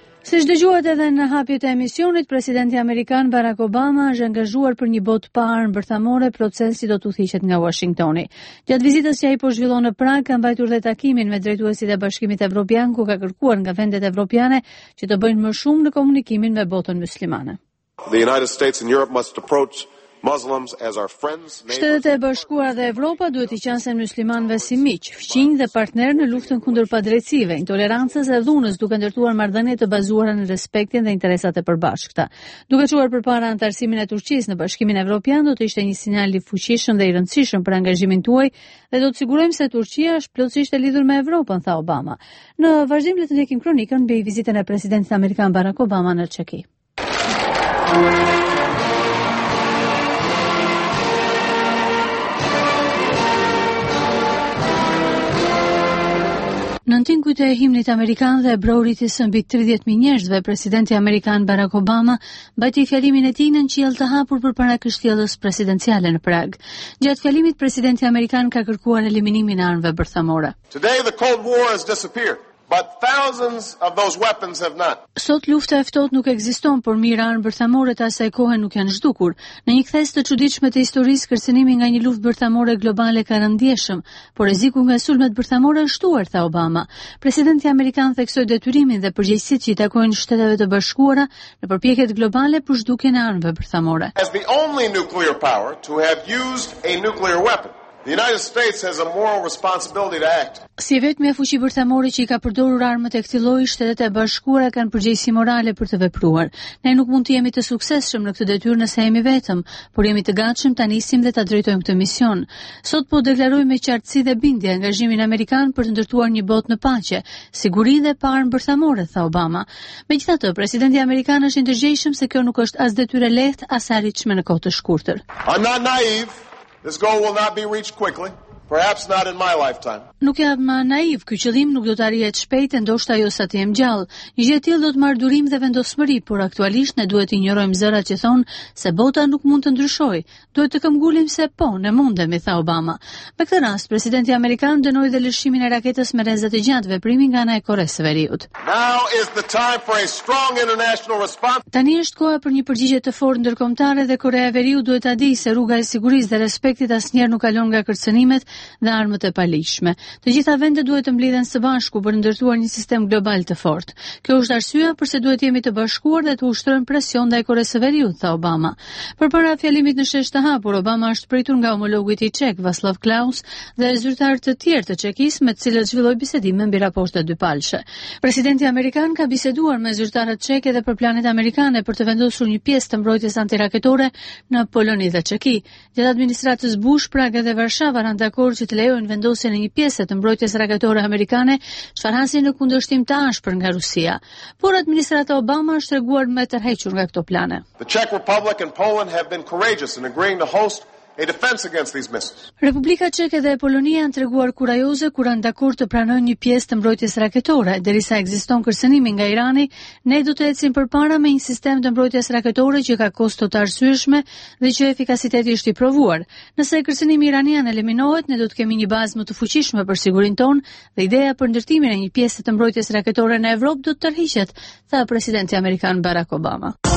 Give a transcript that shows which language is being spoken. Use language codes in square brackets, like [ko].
[sq] Siç dëgjuat edhe në hapje të emisionit, presidenti amerikan Barack Obama është angazhuar për një botë parë mbërthamore, procesi do të uthiqet nga Washingtoni. Gjatë vizitës që ai po zhvillon në Prag, ka mbajtur dhe takimin me drejtuesit e Bashkimit Evropian, ku ka kërkuar nga vendet evropiane që të bëjnë më shumë në komunikimin me botën myslimane. [en] The United States and Europe must approach Muslims as our friends, neighbors. [sq] Shtetet e Bashkuara dhe Evropa duhet i qasen muslimanëve si miq, fqinj dhe partner në luftën kundër padrejtësive, intolerancës dhe dhunës, duke ndërtuar marrëdhënie të bazuara në respektin dhe interesat e përbashkëta. Duke çuar përpara antarësimin e Turqisë në Bashkimin Evropian, do të ishte një sinjal i fuqishëm dhe i rëndësishëm për angazhimin tuaj dhe do të sigurojmë se Turqia është plotësisht e lidhur me Evropën, tha Obama. Në vazhdim le të ndjekim kronikën mbi vizitën e presidentit amerikan Barack Obama në Çeki. Në tingujt e himnit amerikan dhe mbrojtjes së mbi 30,000 njerëzve, presidenti amerikan Barack Obama bati fjalimin e tij në qiell të hapur përpara kështjellës presidenciale në Prag. Gjatë fjalimit, presidenti amerikan ka kërkuar eliminimin e armëve bërthamore. [en] Today the Cold War has disappeared. But thousands of those weapons have not. [sq] Sot lufta e ftohtë nuk ekziston, por mirë armë bërthamore të asaj kohe nuk janë zhdukur. Në një kthesë të çuditshme të historisë, kërcënimi nga një luftë bërthamore globale ka rënë ndjeshëm, por rreziku nga sulmet bërthamore është shtuar, tha Obama. Presidenti amerikan theksoi detyrimin dhe përgjegjësitë që i takojnë Shteteve të Bashkuara në përpjekjet globale për zhdukjen e armëve bërthamore. [en] As the only nuclear power to have used a nuclear weapon, the United States has a moral responsibility to act. [sq] Si vetëm e fuqi bërthamore që i ka përdorur armët e këtij lloji, Shtetet e Bashkuara kanë përgjegjësi morale për të vepruar. Ne nuk mund të jemi të suksesshëm në këtë detyrë nëse jemi vetëm, por jemi të gatshëm ta nisim dhe ta drejtojmë këtë mision. Sot po deklaroj me qartësi dhe bindje angazhimin amerikan për të ndërtuar një botë në paqe, siguri dhe pa armë bërthamore, tha Obama. Megjithatë, presidenti amerikan është i ndërgjegjshëm se kjo nuk është as detyrë lehtë as e arritshme në kohë të shkurtër. [en] I'm not naive. This goal will not be reached quickly, perhaps not in my lifetime. [sq] Nuk jam naiv, ky qëllim nuk do të arrihet shpejt, ndoshta jo sa të jem gjallë. Një gjë e tillë do të marr durim dhe vendosmëri, por aktualisht ne duhet të injorojmë zërat që thonë se bota nuk mund të ndryshojë. Duhet të këmbgulim se po, ne mundemi, tha Obama. Me këtë rast, presidenti amerikan dënoi dhe lëshimin e raketës me rrezet e gjatë veprimin nga ana e Koreas së Veriut. [en] Now is the time for a strong international response. [sq] Tani është koha për një përgjigje të fortë ndërkombëtare dhe Korea e Veriut duhet ta dijë se rruga e sigurisë dhe respektit asnjëherë nuk kalon nga kërcënimet dhe armët e paligjshme. Të gjitha vendet duhet të mblidhen së bashku për ndërtuar një sistem global të fortë. Kjo është arsyeja pse duhet jemi të bashkuar dhe të ushtrojmë presion ndaj Koreas së Veriut, tha Obama. Përpara fjalimit në shesh të hapur, Obama është pritur nga homologu i tij çek Vaclav Klaus dhe zyrtarë të tjerë të Çekisë me të cilët zhvilloi bisedime mbi raportet dypalshe. Presidenti amerikan ka biseduar me zyrtarët çeke dhe për planet amerikane për të vendosur një pjesë të mbrojtjes antiraketore në Poloni dhe Çeki. Gjatë administratës Bush, Praga dhe Varshava kanë dakord që të lejojnë vendosjen e një pjesë të mbrojtjes raketore amerikane, çfarë hasi në kundërshtim të ashpër nga Rusia. Por administrata Obama është treguar më tërhequr nga këto plane. [en] The Czech Republic and Poland have been courageous in agreeing to host a defense against these missiles. [sq] Republika Çeke dhe Polonia janë treguar kurajoze kur janë dakord të pranojnë një pjesë të mbrojtjes raketore, derisa ekziston kërcënimi nga Irani, ne do të ecim përpara me një sistem të mbrojtjes raketore që ka kosto të arsyeshme dhe që efikasiteti është i provuar. Nëse kërcënimi iranian eliminohet, ne do të kemi një bazë më të fuqishme për sigurinë tonë dhe ideja për ndërtimin e një pjesë të mbrojtjes raketore në Evropë do të tërhiqet, tha presidenti amerikan Barack Obama.